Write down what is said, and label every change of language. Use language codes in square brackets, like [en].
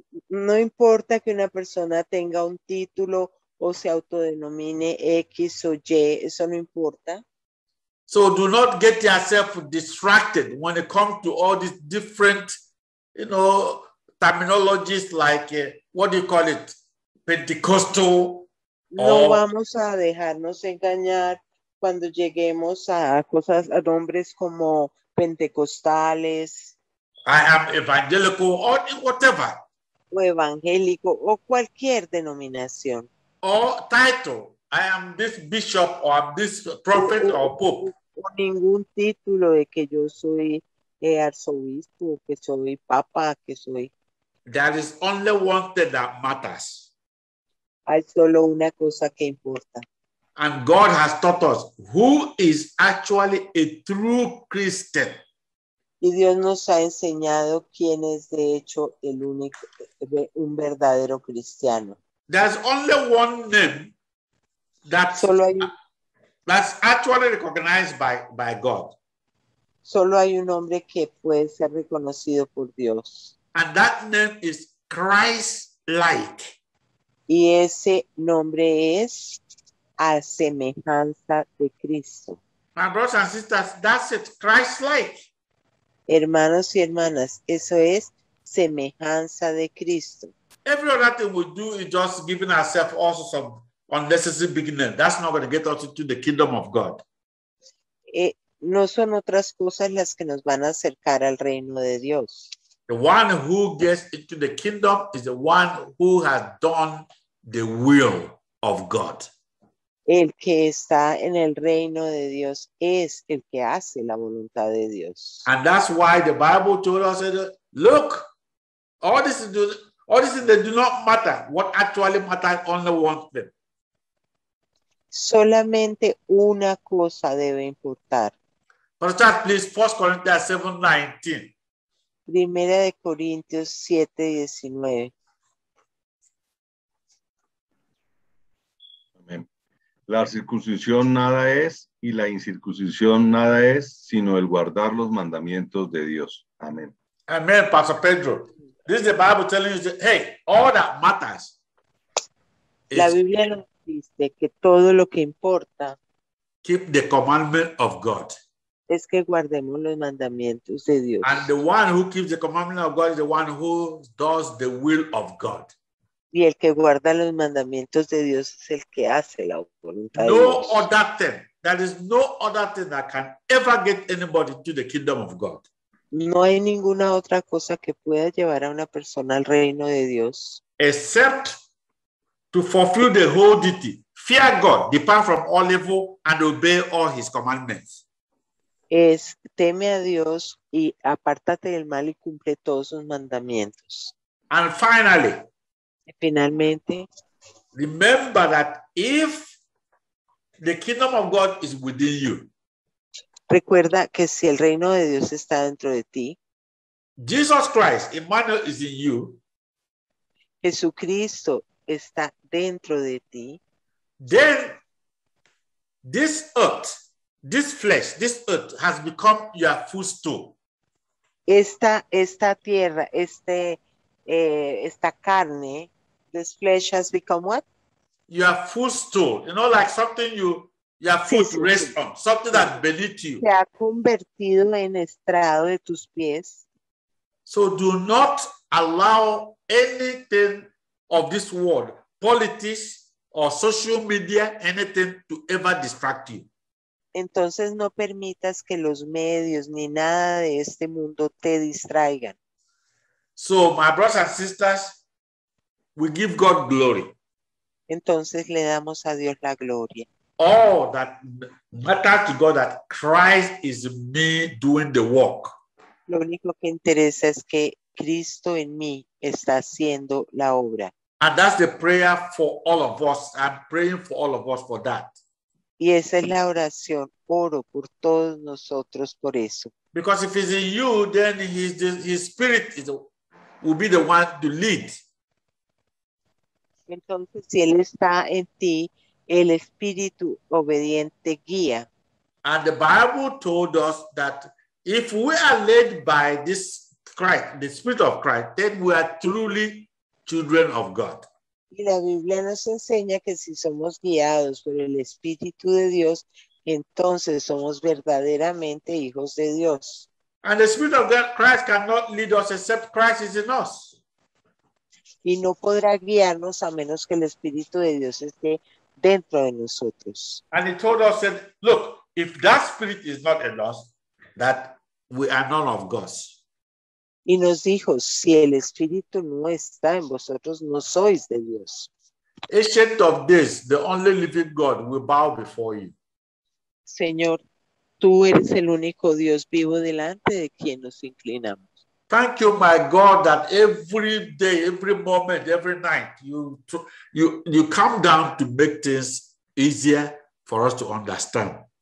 [es] No importa que una persona tenga un título o se autodenomine X o Y, eso no importa. [en] So do not get yourself distracted when it comes to all these different, you know, terminologies like, what do you call it, Pentecostal. [es] No vamos a dejarnos engañar cuando lleguemos a cosas, a nombres como pentecostales. [en] I am evangelical or whatever. [es] O evangélico o cualquier denominación. [en] Or title. I am this bishop or this prophet or pope. [es] O ningún título de que yo soy arzobispo, que soy papa, que soy. [en] There is only one thing that matters. [es] Hay solo una cosa que importa. [en] And God has taught us who is actually a true Christian. [es] Y Dios nos ha enseñado quién es de hecho el único, un verdadero cristiano. [en] There's only one name that's, [es] solo hay, [en] that's actually recognized by God. [es] Solo hay un nombre que puede ser reconocido por Dios. [en] And that name is Christ-like. [es] Y ese nombre es a semejanza de Cristo. [en] My brothers and sisters, that's it, Christ-like. [es] Hermanos y hermanas, eso es semejanza de Cristo. [en] Every other thing we do is just giving ourselves also some unnecessary beginning. That's not going to get us into the kingdom of God. [es] No son otras cosas las que nos van a acercar al reino de Dios. [en] The one who gets into the kingdom is the one who has done the will of God. [es] El que está en el reino de Dios es el que hace la voluntad de Dios. [en] And that's why the Bible told us, look, all this do not matter. What actually matters only one thing. [es] Solamente una cosa debe importar. [en] Pastor, please, 1 Corinthians 7:19. [es] Primera de Corintios 7:19. La circuncisión nada es y la incircuncisión nada es, sino el guardar los mandamientos de Dios. Amén. Amén, Pastor Pedro. [en] This is the Bible telling you that, hey, all that matters. [es] La Biblia nos dice que todo lo que importa. [en] Keep the commandment of God. [es] Es que guardemos los mandamientos de Dios. [en] And the one who keeps the commandment of God is the one who does the will of God. [es] Y el que guarda los mandamientos de Dios es el que hace la voluntad no de Dios. [en] No other thing. There is no other thing that can ever get anybody to the kingdom of God. [es] No hay ninguna otra cosa que pueda llevar a una persona al reino de Dios. [en] Except to fulfill the whole duty. Fear God, depart from all evil, and obey all his commandments. [es] Es teme a Dios y apártate del mal y cumple todos sus mandamientos. [en] And finally, [es] finalmente, [en] remember that if the kingdom of God is within you, [es] recuerda que si el reino de Dios está dentro de ti, [en] Jesus Christ, Emmanuel, is in you, [es] Jesucristo está dentro de ti, [en] then this earth, this flesh, this earth has become your footstool. [es] Esta tierra, esta carne, [en] this flesh has become what? Your footstool. You know, like something your foot rests on. Something that beneath you. [es] Se ha convertido en estrado de tus pies. [en] So do not allow anything of this world, politics or social media, anything to ever distract you. [es] Entonces no permitas que los medios ni nada de este mundo te distraigan. [en] So my brothers and sisters, we give God glory. [es] Entonces le damos a Dios la gloria. [en] All that matters to God that Christ is me doing the work. [es] Lo único que interesa es que Cristo en mí está haciendo la obra. [en] And that's the prayer for all of us. I'm praying for all of us for that. [es] Y esa es la oración. Oro por todos nosotros por eso. [en] Because if it's in you, then his spirit will be the one to lead. [es] Entonces, si Él está en ti, el Espíritu obediente guía. [en] And the Bible told us that if we are led by this Christ, the Spirit of Christ, then we are truly children of God. [es] Y la Biblia nos enseña que si somos guiados por el Espíritu de Dios, entonces somos verdaderamente hijos de Dios. [en] And the Spirit of God, Christ cannot lead us except Christ is in us. [es] Y no podrá guiarnos a menos que el Espíritu de Dios esté dentro de nosotros. [en] And he told us, said, look, if that spirit is not in us, that we are none of God. [es] Y nos dijo, si el espíritu no está en vosotros, no sois de Dios. [en] Ancient of this, the only living God, we bow before you. [es] Señor, tú eres el único Dios vivo delante de quien nos inclinamos. [en] Thank you, my God, that every day, every moment, every night, you come down to make things easier for us to understand.